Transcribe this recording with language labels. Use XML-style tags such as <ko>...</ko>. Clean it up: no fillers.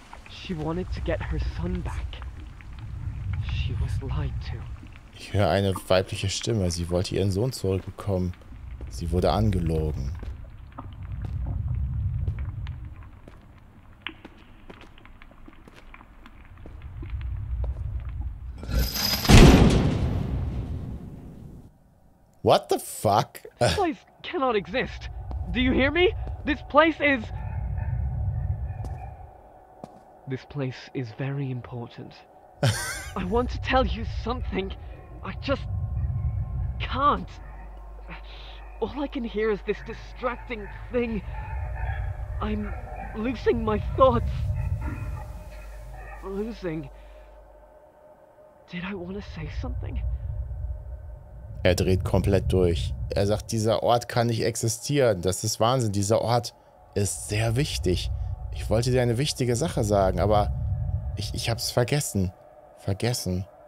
<en>She wanted to get her son back. She was lied to.</en> <de>Ich höre eine weibliche Stimme. Sie wollte ihren Sohn zurückbekommen. Sie wurde angelogen.</de> <en>What the fuck? This place cannot exist. Do you hear me? This place is... This place is very important. I want to tell you something. I just can't. All I can hear is this distracting thing. I'm losing my thoughts. Losing. Did I want to say something?</en> <de>Er dreht komplett durch. Er sagt, dieser Ort kann nicht existieren. Das ist Wahnsinn. Dieser Ort ist sehr wichtig. Ich wollte dir eine wichtige Sache sagen, aber ich hab's vergessen. Vergessen.</de>